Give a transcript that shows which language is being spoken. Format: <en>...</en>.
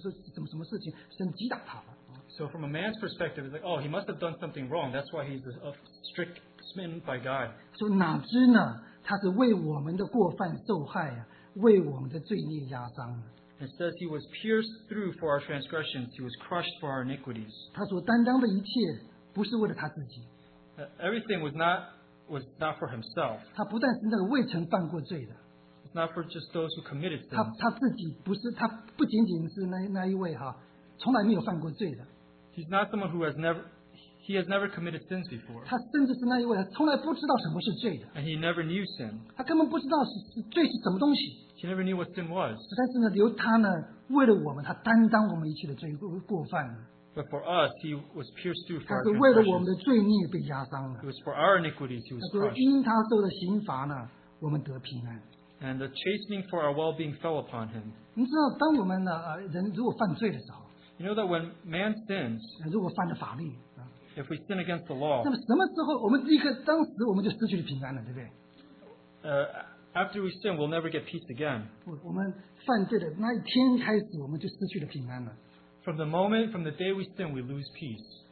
<zh>在人的看的话呢，一定是这个人做错什么事了。所以你看，才这么样的这样子的憔悴哈，这么样子一定做什么事，怎么什么事情，神击打他了。So</zh> <en>from a man's perspective, it's like, oh, he must have done something wrong. That's why he's strict smitten by God.</en> <zh>所以哪知呢，他是为我们的过犯受害呀，为我们的罪孽压伤。</zh> <en>It says he was pierced through for our transgressions, he was crushed for our iniquities.</en> <zh>他所担当的一切不是为了他自己。</zh> <en>Everything was not for himself.</en> <zh>他不但是那个未曾犯过罪的。</zh> <en>It's not for just those who committed sin.</en> <zh>他自己不仅仅是那一位哈，从来没有犯过罪的。</zh> <en>He's not someone who has never committed sins before.</en> <zh>他甚至是那一位从来不知道什么是罪的。</zh> <en>And he never knew sin.</en> <zh>他根本不知道罪是什么东西。</zh> <en>He never knew what sin was.</en> <zh>但是呢，由他呢，为了我们，他担当我们一切的罪过犯。</zh> <en>But for us, he was pierced through for our sins.</en> <zh>他是为了我们的罪孽被压伤了。</zh> <en>It was for our iniquities he was crushed.</en> <zh>他说，因他受的刑罚呢，我们得平安。And</zh> <en>the chastening for our well-being fell upon him.</en> <zh>你知道，当我们呢，人如果犯罪的时候，You</zh> <en>know that when man sins,</en> <zh>如果犯了法律，If</zh> <en>we sin against the law,</en> <zh>那么什么时候我们立刻当时我们就失去了平安了，对不对？</zh> <en>After we sin, we'll never get peace again.</en> <zh>我们犯罪的那一天开始，我们就失去了平安了。From</zh> <en>the moment, from the day we sin, we lose peace.</en>